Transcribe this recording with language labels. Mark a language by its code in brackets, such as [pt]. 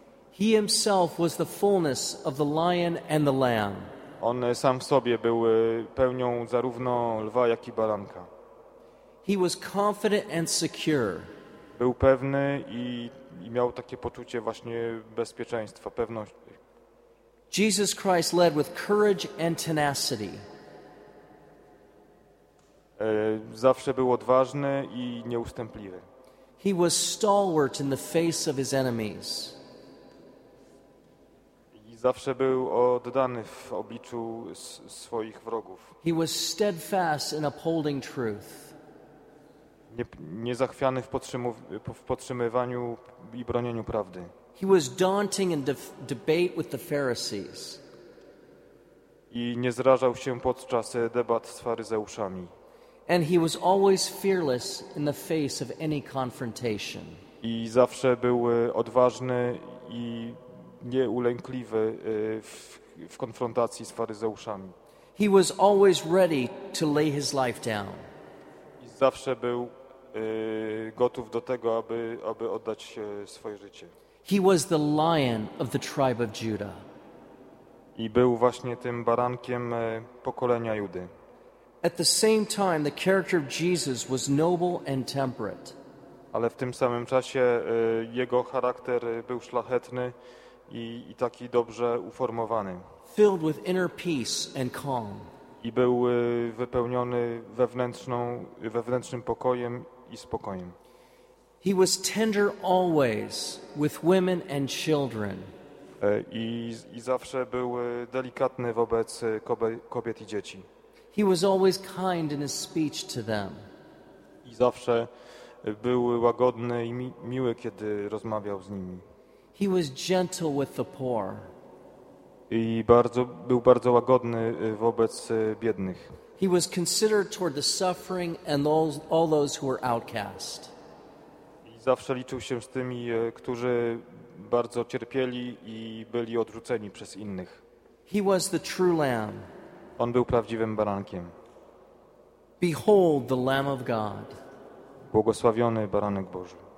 [en] He himself was the fullness of the lion and the lamb. [pl] On sam w sobie był pełnią zarówno lwa, jak i baranka. [en] He was confident and secure. [pl] Był pewny i miał takie poczucie właśnie bezpieczeństwa, pewności. [en] Jesus Christ led with courage and tenacity. [pl] Zawsze był odważny i nieustępliwy. [en] He was stalwart in the face of his enemies. [pl] Zawsze był oddany w obliczu swoich wrogów. [en] He was steadfast in upholding truth. [pl] Niezachwiany w podtrzymywaniu i bronieniu prawdy. [en] He was daunting in debate with the Pharisees. [pl] I nie zrażał się podczas debat z faryzeuszami. [en] And he was always fearless in the face of any confrontation. [pl] I zawsze był odważny i nieulękliwy w konfrontacji z faryzeuszami. [en] He was always ready to lay his life down. [pl] I zawsze był gotów do tego, aby oddać swoje życie. [en] He was the lion of the tribe of Judah. [pl] I był właśnie tym barankiem pokolenia Judy. [en] At the same time, the character of Jesus was noble and temperate. [pl] Ale w tym samym czasie jego charakter był szlachetny i taki dobrze uformowany. [en] Filled with inner peace and calm. [pl] I był wypełniony wewnętrznym pokojem i spokojem. [en] He was tender always with women and children. [pl] I zawsze był delikatny wobec kobiet i dzieci. [en] He was always kind in his speech to them. [pl] I zawsze był łagodny i miły, kiedy rozmawiał z nimi. [en] He was gentle with the poor. [pl] I był bardzo łagodny wobec biednych. [en] He was considerate toward the suffering and all those who were outcast. [pl] I zawsze liczył się z tymi, którzy bardzo cierpieli i byli odrzuceni przez innych. [en] He was the true lamb. [pl] On był prawdziwym barankiem. [en] Behold the Lamb of God. [pl] Błogosławiony Baranek Boży.